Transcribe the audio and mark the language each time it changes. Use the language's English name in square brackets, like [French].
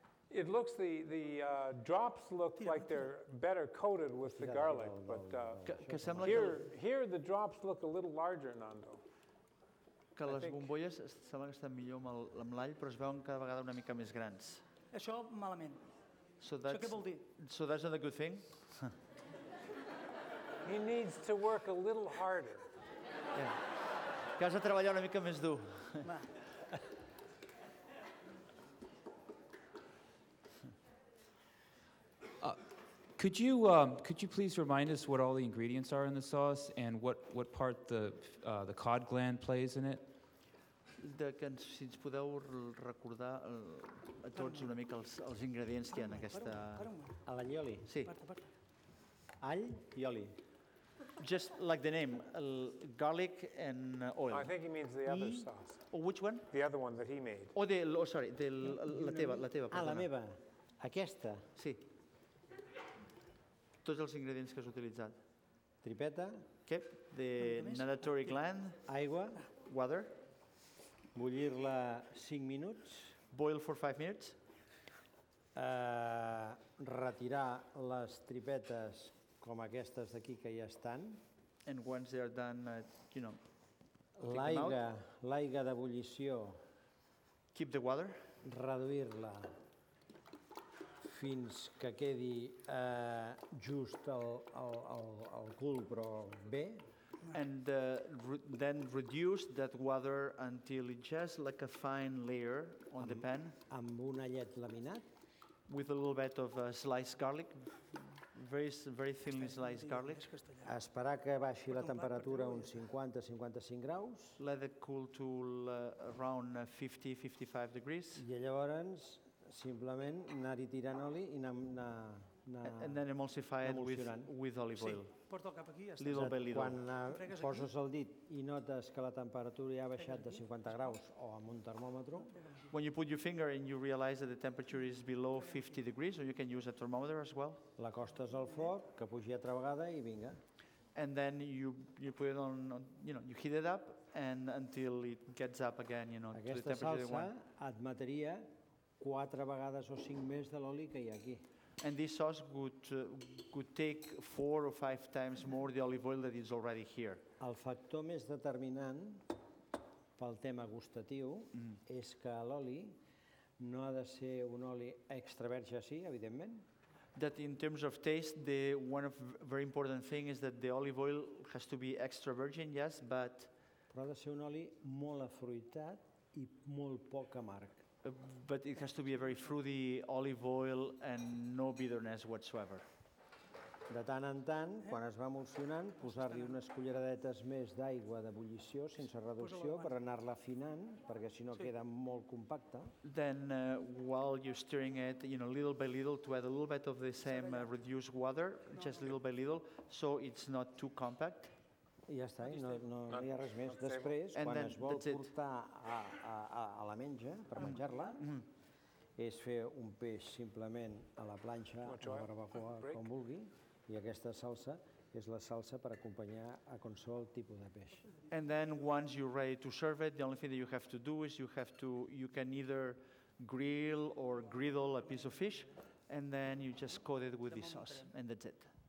[English] It looks, the drops look like they're better coated with the garlic, but here the drops look a little larger, Nando. [Catalan] Que les bombolles sembla que estan millor amb l'all, però es veuen cada vegada una mica més grans. Això malament. [English] So that's not a good thing? He needs to work a little harder. Yeah. [Catalan] Que has de treballar una mica més dur. [English] Could you please remind us what all the ingredients are in the sauce and what part the cod gland plays in it? [Catalan] Si ens podeu recordar a tots una mica els ingredients que hi ha en aquesta... A l'allioli? Sí. All i oli. [English] Just like the name, garlic and oil. I think he means the other sauce. Which one? The other one that he made. [Catalan] La teva. Ah, la meva. Aquesta? Sí. Tots els ingredients que has utilitzat. Tripeta. [English] Què? The nadatory gland. [Catalan] Aigua. [English] Water. [Catalan] Bullir-la 5 minuts. [English] Boil for 5 minutes. [Catalan] Retirar les tripetes com aquestes d'aquí que ja estan. [English] And once they are done, you know, [Catalan] L'aigua d'ebullició. [English] Keep the water. [Catalan] Reduir-la fins que quedi just el cul, però bé. [English] And then reduce that water until it's just like a fine layer on the pan. [Catalan] Amb un allet laminat. [English] With a little bit of sliced garlic very thinly sliced garlic. [Catalan] Esperar que baixi la temperatura uns 50-55 graus. [English] Let it cool to around 50-55 degrees. [Catalan] I llavors simplement anar-hi tirant oli I anar... [English] And then emulsify it with olive oil. Little by little. [Catalan] Quan poses el dit I notes que la temperatura ja ha baixat de 50 graus o amb un termòmetre. [English] When you put your finger and you realize that the temperature is below 50 degrees, or you can use a thermometer as well. [Catalan] La costes al foc, que pugi altra vegada I vinga. [English] And then you put it on, you heat it up and until it gets up again, you know, to the temperature you want. [Catalan] Aquesta salsa admetria 4 vegades o 5 més de l'oli que hi ha aquí. [English] And this sauce could take 4 or 5 times more the olive oil that is already here. [Catalan] El factor més determinant pel tema gustatiu és que l'oli no ha de ser un oli extra verge, sí, evidentment. [English] That in terms of taste, the one of very important thing is that the olive oil has to be extra virgin, yes, but... [Catalan] Però ha de ser un oli molt afruitat I molt poc amarg. [English] But it has to be a very fruity olive oil and no bitterness whatsoever. [Catalan] De tant en tant, quan es va emulsionant, posar-li unes culleradetes més d'aigua d'ebullició sense reducció per anar-la afinant, perquè si no queda molt compacta. [English] Then while you're stirring it, you know, little by little, to add a little bit of the same reduced water, just little by little, so it's not too compact. [Catalan] I ja està, I no hi ha res més. Després, quan es vol portar a la menja per menjar-la, és fer un peix simplement a la planxa, a la barbacoa, com vulgui, I aquesta salsa és la salsa per acompanyar a qualsevol tipus de peix. [English] And then once you're ready to serve it, the only thing that you have to do is you can either grill or griddle a piece of fish and then you just coat it with this sauce and that's it.